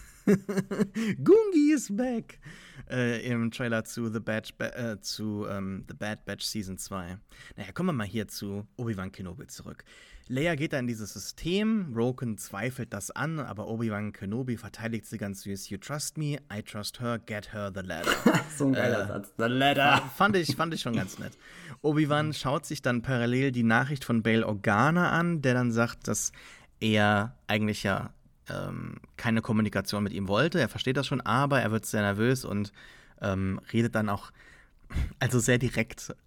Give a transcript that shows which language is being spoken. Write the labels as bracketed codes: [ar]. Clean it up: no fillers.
[en] Gungi is back! Im Trailer zu The Bad Batch Season 2. [de] Naja, kommen wir mal hier zu Obi-Wan Kenobi zurück. Leia geht da in dieses System, Roken zweifelt das an, aber Obi-Wan Kenobi verteidigt sie ganz süß. [en] You trust me, I trust her, get her the ladder. [de] So ein geiler Satz, [en] the ladder. [de] Fand ich schon ganz nett. Obi-Wan schaut sich dann parallel die Nachricht von Bail Organa an, der dann sagt, dass er eigentlich ja keine Kommunikation mit ihm wollte. Er versteht das schon, aber er wird sehr nervös und redet dann auch also sehr direkt.